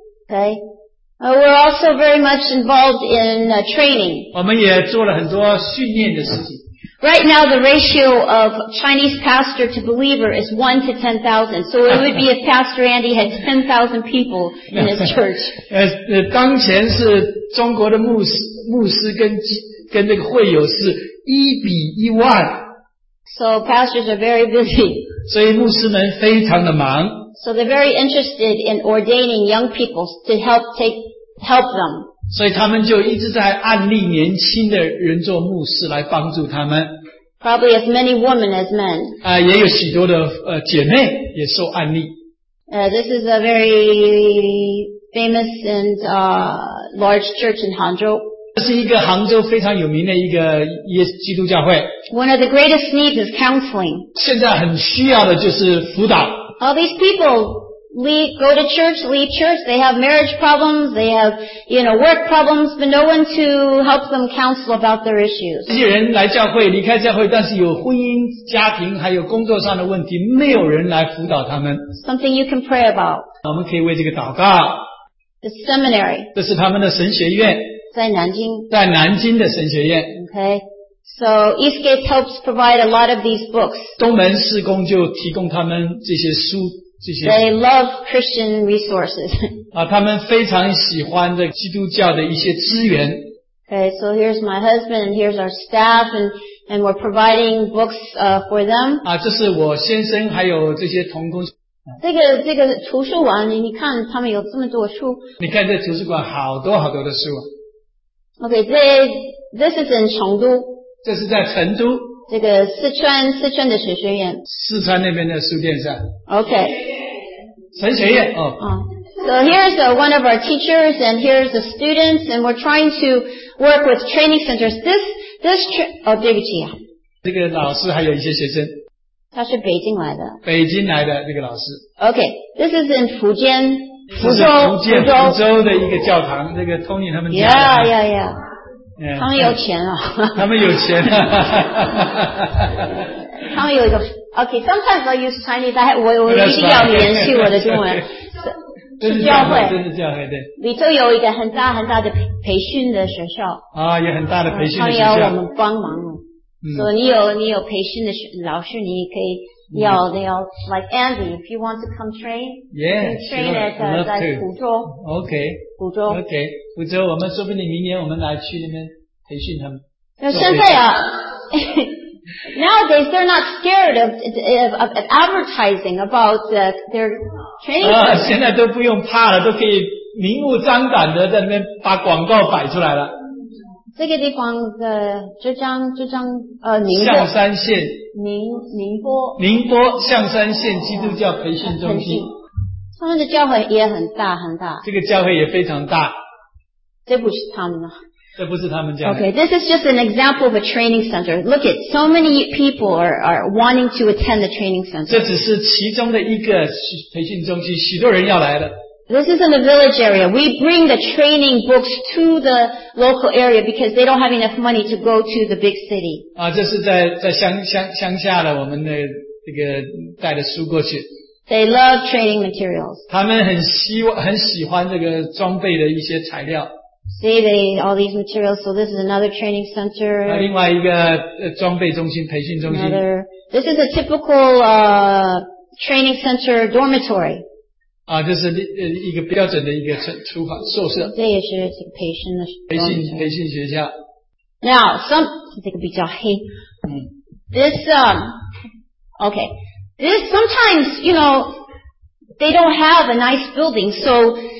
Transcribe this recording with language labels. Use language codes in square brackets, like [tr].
[en] Okay. We're also very much involved in training. [zh] 我们也做了很多训练的事情。 [en] Right now, the ratio of Chinese pastor to believer is 1 to 10,000. So it would be if Pastor Andy had 10,000 people in his church. [zh] 当前是中国的牧师跟这个会友是1:1万。 [en] So pastors are very busy. [zh] 所以牧师们非常的忙。 [en] So they're very interested in ordaining young people to help them. [zh] 所以他们就一直在案例年轻的人做牧师来帮助他们。 [en] Probably as many women as men. [zh] 也有许多的姐妹也受案例。 [en] This is a very famous and large church in Hangzhou. [zh] 这是一个杭州非常有名的一个基督教会。 [en] One of the greatest needs is counseling. [zh] 现在很需要的就是辅导。 [en] All these people go to church, leave church, they have marriage problems, they have, you know, work problems, but no one to help them counsel about their issues. [zh] 这些人来教会，离开教会，但是有婚姻、家庭，还有工作上的问题，没有人来辅导他们。 [en] Something you can pray about. [zh] 我们可以为这个祷告。 [en] The seminary. [zh] 这是他们的神学院。在南京。在南京的神学院。 [en] Okay. So Eastgate helps provide a lot of these books. [zh] 东门事工就提供他们这些书，这些。 [en] They love Christian resources. [zh] 他们非常喜欢这基督教的一些资源。 [en] Okay, so here's my husband, and here's our staff, and we're providing books for them. [zh] 这是我先生还有这些同工。这个图书馆，你看他们有这么多书。你看这图书馆好多好多的书。 [en] Okay, this is in 成都。 [zh] 这是在成都，这个四川的神学院，四川那边的书店是吧 [en] ？OK， [zh] 神学院哦。 [en] So here's one of our teachers, and here's the students, and we're trying to work with training centers. [zh] Oh, 对不起啊。这个老师还有一些学生。他是北京来的。北京来的这个老师。 [en] OK， this is in 福建， [zh] 福州的一个教堂，那个 Tony 他们家。 [en] Yeah. Yeah, [zh] 他们有钱啊。他们有一个 , [en] okay, sometimes I use Chinese, [zh] 我一定要联系我的中文。是教会。真的教会对。里头有一个很大很大的培训的学校。有很大的培训的学校。他们要我们帮忙。所以你有培训的老师你可以 [en] They'll like Andy, if you want to come train, you can train at Fuzhou. Nowadays, they're not scared of advertising about their training. [zh] 现在都不用怕了，都可以明目张胆的在那边把广告摆出来了。这个地方的浙江宁波象山县宁波象山县基督教培训中心，他们的教会也很大很大。这个教会也非常大。这不是他们的。这不是他们讲的。 [en] Okay, this is just an example of a training center. Look at so many people are wanting to attend the training center. [zh] 这只是其中的一个培训中心，许多人要来的。 [en] This is in the village area. We bring the training books to the local area because they don't have enough money to go to the big city. [zh] 啊，这是在乡下的，我们的这个带的书过去。 [en] They love training materials. [zh] 他们很喜欢这个装备的一些材料。 [en] See, they all these materials. So this is another training center. [zh] 另外一个装备中心，培训中心。 [en] Another. This is a typical training center dormitory. [zh] 啊，这是一个标准的一个厨房宿舍。这也是这个培训学校。 [en] Now, some [zh] 这个比较黑。 [en] This okay. This sometimes you know they don't have a nice building, so.